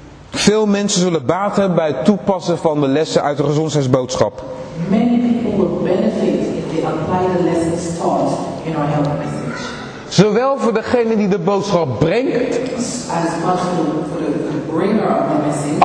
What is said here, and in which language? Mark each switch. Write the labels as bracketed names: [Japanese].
[Dutch] Veel mensen zullen baat hebben bij het toepassen van de lessen uit de gezondheidsboodschap. [English] Many people will benefit if they apply the lessons taught in our health message. [Dutch] Zowel voor degene die de boodschap brengt, [English] as much for the bringer of the message,